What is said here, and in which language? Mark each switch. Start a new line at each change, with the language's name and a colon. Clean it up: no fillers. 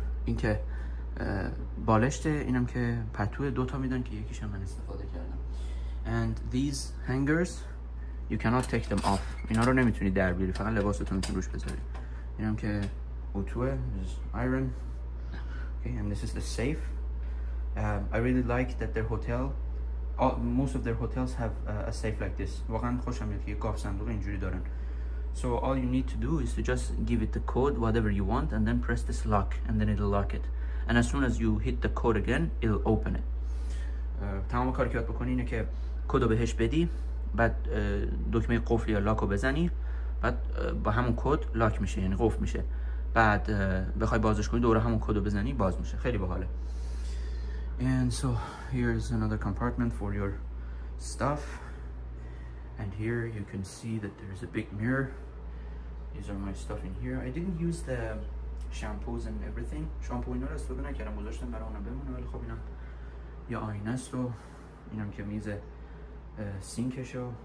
Persian: اینکه بالشته اینم که پتو دو تا میدن که یکیشو من استفاده کردم.
English: And these hangers you cannot take them off.
Persian: اینا رو نمیتونی در بیاری، فقط لباستون رو روش بذاری. اینم که اوتوه،
English: this is iron. Okay, and this is the safe. I really like that their hotel most of their hotels have a safe like this.
Persian: واقعا خوشم میاد که یه گاف صندوق اینجوری دارن.
English: So all you need to do is to just give it the code whatever you want and then press this lock and then it'll lock it. And as soon as you hit the code again, it'll open it.
Persian: تمام کاری که باید بکنی اینه که کد رو بهش بدی، بعد دکمه قفل یا لاک رو بزنی، بعد با همون کد لاک میشه، یعنی قفل میشه. بعد بخوای بازش کنی دوره همون کد رو بزنی باز میشه. خیلی باحاله.
English: And so here is another compartment for your stuff. And here you can see that there is a big mirror. These are my stuff in here. I didn't use the shampoos and everything.
Persian: Shampoo اینا رو استفاده نکردم، گذاشتم برای اونا بمونه. ولی خب اینم یه آینه است و اینم که میز سینکشو.